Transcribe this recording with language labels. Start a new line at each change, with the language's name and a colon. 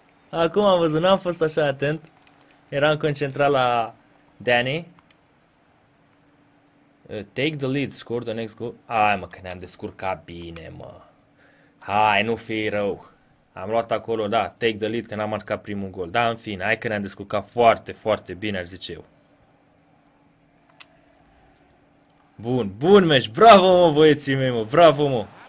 Romanian: Acum am văzut, n-am fost așa atent. Eram concentrat la Danny.
English: Take the lead, score the next goal.
Romanian: Ai, mă, că ne-am descurcat bine, mă. Hai, nu fi rău. Am luat acolo, da,
English: take the lead,
Romanian: că n-am marcat primul gol. Da, în fine, hai că ne-am descurcat foarte, foarte bine, ar zice eu. Bun meci, bravo, mă, băieții mei, mă, bravo, mă.